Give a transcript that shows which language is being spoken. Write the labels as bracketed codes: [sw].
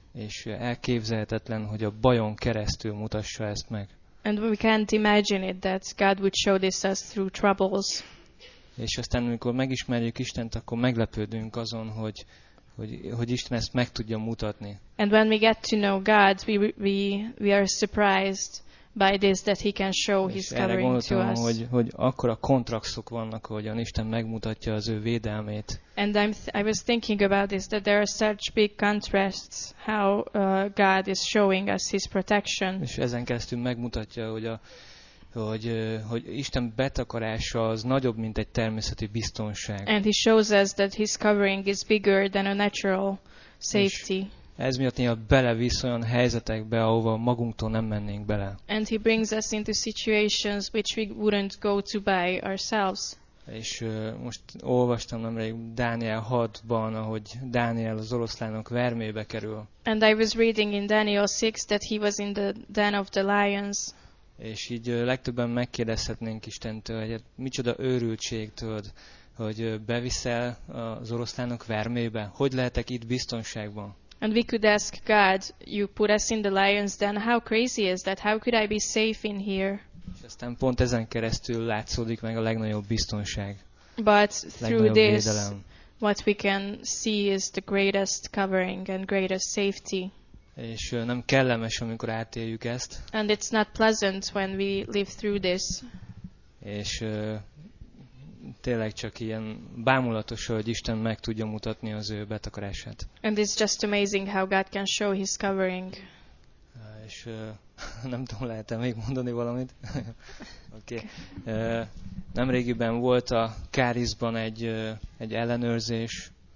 [hu] És elképzelhetetlen, hogy a bajon keresztül mutassa ezt meg. [en] And we can't imagine it that God would show this us through troubles. [hu] És aztán, amikor megismerjük Istent, akkor meglepődünk azon, hogy Isten ezt meg tudja mutatni. [en] And when we get to know God, we are surprised by this that he can show his covering to us. [hu] És erre gondoltam, hogy akkora kontrasztok vannak, ahogyan Isten megmutatja az ő védelmét. [en] And I was thinking about this, that there are such big contrasts how God is showing us his protection. [hu] És ezen keresztül megmutatja, hogy Isten betakarása az nagyobb, mint egy természeti biztonság. [en] And he shows us that his covering is bigger than a natural safety. [hu] És ez miatt néha belevisz olyan helyzetekbe, ahova magunktól nem mennénk bele. [en] And he brings us into situations which we wouldn't go to by ourselves. [hu] És most olvastam nemrég Dániel 6-ban, ahogy Dániel az oroszlánok vermébe kerül. [en] And I was reading in Daniel 6 that he was in the den of the lions. [hu] És így legtöbben megkérdezhetnénk Istentől, hogy micsoda őrültség, tudod, hogy beviszel az oroszlánok vermébe? Hogy lehetek itt biztonságban? [en] And we could ask God, you put us in the lion's den, how crazy is that? How could I be safe in here? [hu] És aztán pont ezen keresztül látszódik meg a legnagyobb biztonság. [en] But through [hu] legnagyobb [en] this, [hu] védelem. [en] What we can see is the greatest covering and greatest safety. [hu] És nem kellemes, amikor átéljük ezt. [en] And it's not pleasant when we live through this. [hu] És tényleg csak ilyen bámulatos, hogy Isten meg tudja mutatni az ő betakarását. [en] And it's just amazing how God can show his covering. [hu] És nem tudom, lehet-e még mondani valamit? Oké. [en] Okay. [hu] Nemrégiben volt a Kárizban egy ellenőrzés.